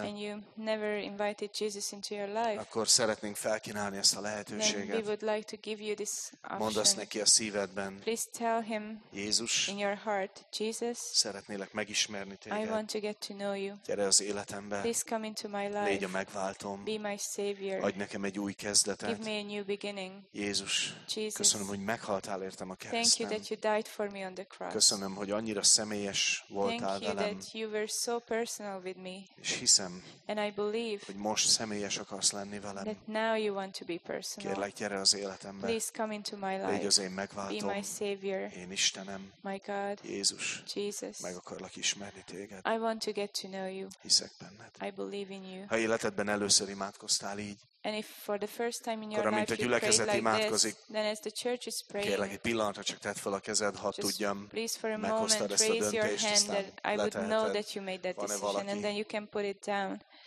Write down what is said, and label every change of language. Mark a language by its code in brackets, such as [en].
[en] and you never invited Jesus into your life, [hu] akkor szeretnénk felkínálni ezt a lehetőséget. [en] Then we would like to give you this option. [hu] Mondd azt neki a szívedben. [en] Please tell him, [hu] Jézus, [en] in your heart, Jesus, [hu] szeretnélek megismerni téged. [en] I want to get to know you. [hu] Gyere az életembe. [en] Please come into my life. [hu] Légy a megváltom. [en] Be my savior. [hu] Adj nekem egy új kezdetet. [en] Give me a new beginning. [hu] Jézus, [en] Jesus, [hu] köszönöm, hogy meghaltál értem a kereszten. [en] Thank you that you died for me on the cross. [hu] Köszönöm, hogy annyira személyes voltál vele. [en] that you were so personal with me. [hu] És hiszem, [en] and I believe, [hu] hogy most személyes akarsz lenni velem. [en] That now you want to be personal. [hu] Kérlek, gyere az életembe. [en] Please come into my life. [hu] Légy az én megváltom. [en] Be my savior. [hu] Én Istenem. [en] My God. [hu] Jézus. [en] Jesus. [hu] Meg akarlak ismerni téged. [en] I want to get to know you. [hu] Hiszek benned. [en] I believe in you. [hu] Ha életedben először imádkoztál így. [en] And if for the first time in your life you prayed like this, then as the church is praying, [hu] kérlek egy pillanatra csak tedd fel a kezed, ha tudjam, [en] please for a moment raise your hand that I would know that you made that decision, and then you can put it down.